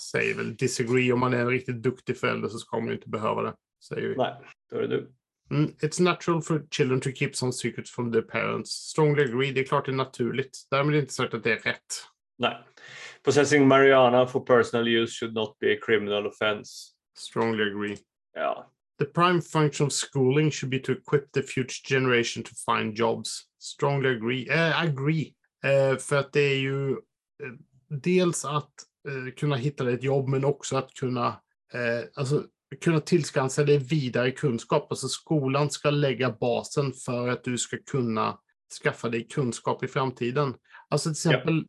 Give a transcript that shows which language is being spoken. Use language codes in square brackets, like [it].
[sv] säger väl disagree, om man är en riktigt duktig förälder så ska man ju inte behöva det. Säger vi. Nej, då är det du. Mm. [en] It's natural for children to keep some secrets from their parents. Strongly agree, [sv] det är klart det är naturligt. Därmed är det inte sagt att det är rätt. Nej. [en] Possessing marijuana for personal use should not be a criminal offense. Strongly agree. [sv] Ja. [en] The prime function of schooling should be to equip the future generation to find jobs. Strongly agree. [sv] För att det är ju dels att kunna hitta ett jobb men också att kunna alltså kunna tillskansa dig vidare kunskap. Alltså skolan ska lägga basen för att du ska kunna skaffa dig kunskap i framtiden. Alltså till exempel, ja.